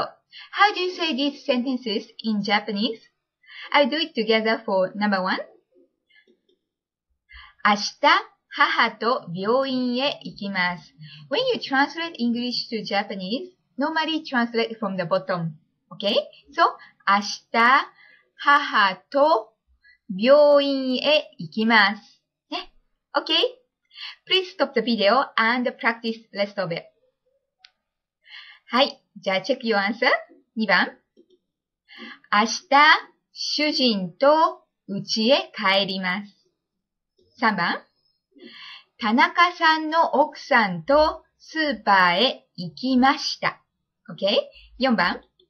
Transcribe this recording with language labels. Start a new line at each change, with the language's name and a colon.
English: How do you say these sentences in Japanese? I'll do it together for number one.
Japanese: 明日、母と病院へ行きます。
English: When you translate English to Japanese, normally translate from the bottom. Okay?
Japanese: So, 明日、母と病院へ行きます。
English: ね、okay? Please stop the video and practice the rest of it.
Japanese: はい。じゃあ、
English: チェックヨーアンサー。
Japanese: 2番。明日、主人と家へ帰ります。3番。田中さんの奥さんとスーパーへ行きました。OK?4 番。